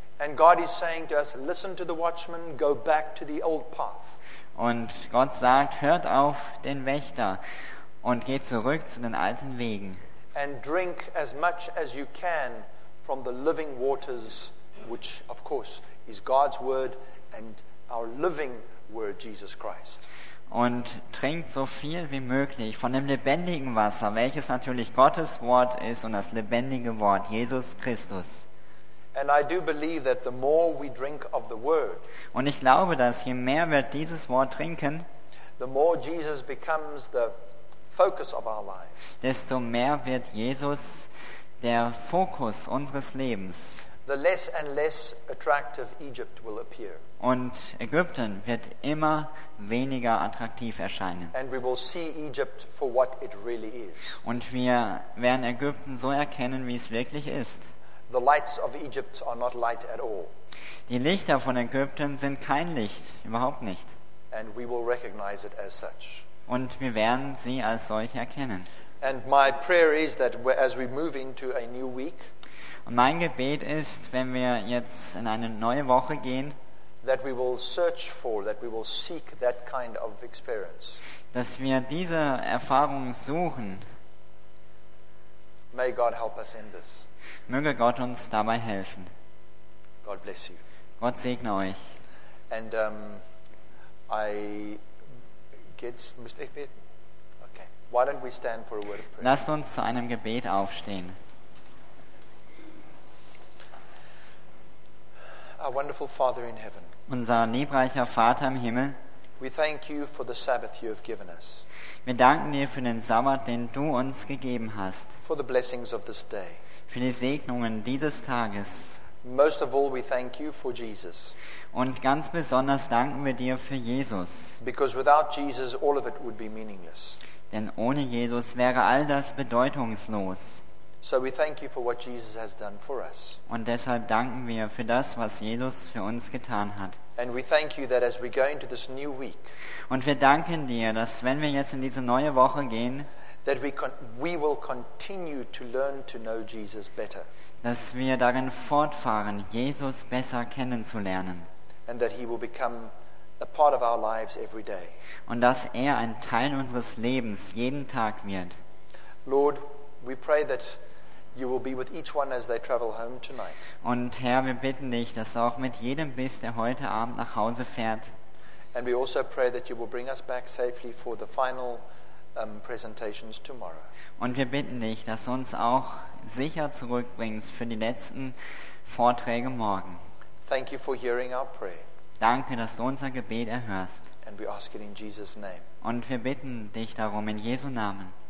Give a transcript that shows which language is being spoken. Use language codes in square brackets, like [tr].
[en] And God is saying to us, listen to the watchmen, go back to the old path. [de] Und Gott sagt, hört auf den Wächter und geht zurück zu den alten Wegen. [en] And drink as much as you can from the living waters, which of course is God's word and our living word, Jesus Christ. [de] Und trinkt so viel wie möglich von dem lebendigen Wasser, welches natürlich Gottes Wort ist und das lebendige Wort, Jesus Christus. [en] And I do believe that the more we drink of the word, [de] und ich glaube, dass je mehr wir dieses Wort trinken, [en] the more Jesus becomes the focus of our lives. [de] Desto mehr wird Jesus der Fokus unseres Lebens. [en] The less and less attractive Egypt will appear. [de] Und Ägypten wird immer weniger attraktiv erscheinen. [en] And we will see Egypt for what it really is. [de] Und wir werden Ägypten so erkennen, wie es wirklich ist. [en] The lights of Egypt are not light at all. [de] Die Lichter von Ägypten sind kein Licht, überhaupt nicht. [en] And we will recognize it as such. [de] Und wir werden sie als solche erkennen. [en] And my prayer is that as we move into a new week, [de] und mein Gebet ist, wenn wir jetzt in eine neue Woche gehen, [en] that we will search for, that we will seek that kind of experience. [de] Dass wir diese Erfahrung suchen. [en] May God help us in this. [de] Möge Gott uns dabei helfen. [en] God bless you. [de] Gott segne euch. [en] And I get Mr. Egbert. Okay. Why don't we stand for a word of prayer? [de] Lass uns zu einem Gebet aufstehen. [en] Our wonderful Father in heaven. [de] Unser liebreicher Vater im Himmel. [en] We thank you for the Sabbath you have given us. [de] Wir danken dir für den Sabbat, den du uns gegeben hast. [en] For the blessings of this day. [de] Für die Segnungen dieses Tages. [en] Most of all, we thank you for Jesus. [de] Und ganz besonders danken wir dir für Jesus. [en] Because without Jesus, all of it would be meaningless. [de] Denn ohne Jesus wäre all das bedeutungslos. [en] So we thank you for what Jesus has done for us. [de] Und deshalb danken wir für das, was Jesus für uns getan hat. [en] And we thank you that as we go into this new week. [de] Und wir danken dir, dass wenn wir jetzt in diese neue Woche gehen, [en] that we will continue to learn to know Jesus better. [de] Dass wir darin fortfahren, Jesus besser kennenzulernen. [en] And that he will become a part of our lives every day. [de] Und dass ein Teil unseres Lebens jeden Tag wird. [en] Lord, we pray that you will be with each one as they travel home tonight. [de] Und Herr, wir bitten dich, dass du auch mit jedem bist, der heute Abend nach Hause fährt. [en] And we also pray that you will bring us back safely for the final presentations tomorrow. [de] Und wir bitten dich, dass du uns auch sicher zurückbringst für die letzten Vorträge morgen. [en] Thank you for hearing our prayer. [de] Danke, dass du unser Gebet erhörst. [en] And we ask it in Jesus' name. [de] Und wir bitten dich darum in Jesu Namen.